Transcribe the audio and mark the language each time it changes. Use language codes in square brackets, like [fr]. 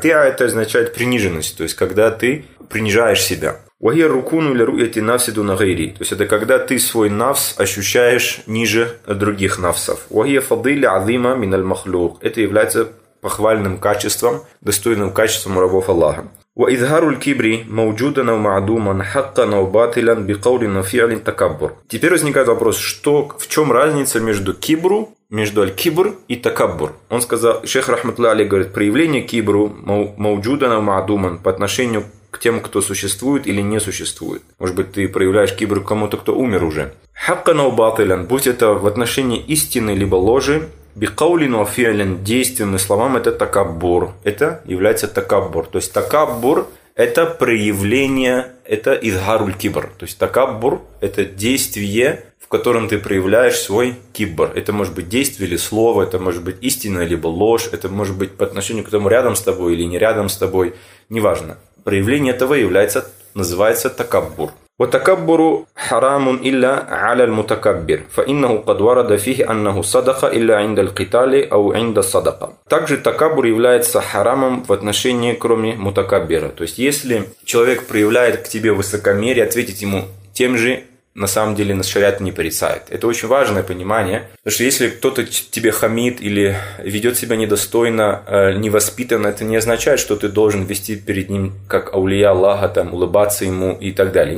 [ru] Диа это означает приниженность, то есть когда ты принижаешь себя. [ar] Вагир рукуну или руяти навсиду на гайри. [ru] То есть это когда ты свой навс ощущаешь ниже других навсов. [ar] Вагир фадыля адима миналь махлюх. [ru] Это является похвальным качеством, достойным качеством рабов Аллаха. [ar] وإظهار الكبر موجودا أو معدوما حقا أو باطلا بقول أو فعل تكبر. [ru] Теперь возникает вопрос, что, в чем разница между кибру, между аль-кибр и такаббур? Он сказал, шейх рахматуллах алейхи говорит, проявление кибру [ar] موجودا أو معدوما [ru] по отношению к тем, кто существует или не существует. Может быть, ты проявляешь кибр кому-то, кто умер уже. [ar] حقا أو باطلا, [ru] будь это в отношении истины либо ложи. [ar] Бикаулину афиалин, [ru] действием и словам, это такаббур. Это является такаббур. То есть такаббур – это проявление, это [ar] изгаруль кибр. [ru] То есть такаббур – это действие, в котором ты проявляешь свой кибр. Это может быть действие или слово, это может быть истина либо ложь, это может быть по отношению к тому, рядом с тобой или не рядом с тобой, неважно. Проявление этого является, называется такаббур. [ar] وتكبر حرام إلا على المتكبر فإنه قد ورد فيه أنه صدق إلا عند القتال أو عند الصدقة. [ru] Также такаббур является харамом в отношении кроме мутакаббира. То есть если человек проявляет к тебе высокомерие, ответить ему тем же на самом деле на шариат не порицает. Это очень важное понимание, потому что если кто-то тебе хамит или ведет себя недостойно, невоспитанно, это не означает, что ты должен вести перед ним как аулия Аллаха, там, улыбаться ему и так далее.